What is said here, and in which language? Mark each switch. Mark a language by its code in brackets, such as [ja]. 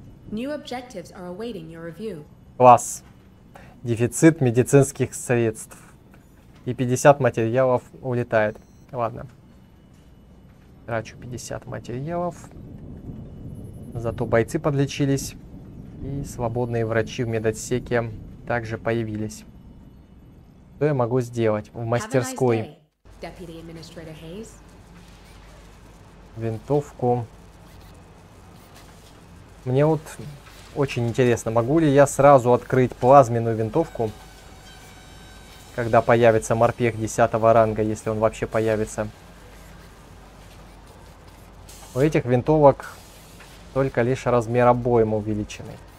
[en] New objectives are awaiting your review. [ru] Класс. Дефицит медицинских средств. И 50 материалов улетает. Ладно. Трачу 50 материалов. Зато бойцы подлечились. И свободные врачи в медотсеке также появились. Что я могу сделать? В [en] Have a nice [ru] мастерской. [en] day, Deputy Administrator Hayes. [ru] Винтовку. Мне вот очень интересно, могу ли я сразу открыть плазменную винтовку, когда появится морпех 10 ранга, если он вообще появится. У этих винтовок только лишь размер обоим увеличены.